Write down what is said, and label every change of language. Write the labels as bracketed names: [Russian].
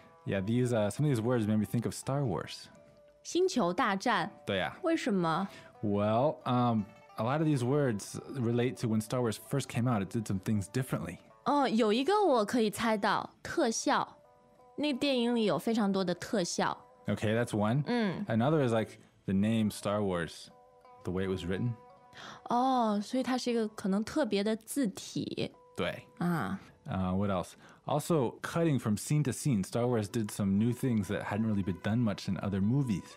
[English] Yeah, some of these words made me think of Star Wars. [Chinese] 星球大战，对呀，为什么？ [English] Well, a lot of these words relate to when Star Wars first came out. It did some things differently. [Chinese] 哦，有一个我可以猜到，特效。那电影里有非常多的特效。 [English] Okay, that's one. Another is like the name Star Wars, the way it was written. [Chinese] 哦，所以它是一个可能特别的字体。对。啊。 [English] What else? Also, cutting from scene to scene, Star Wars did some new things that hadn't really been done much in other movies.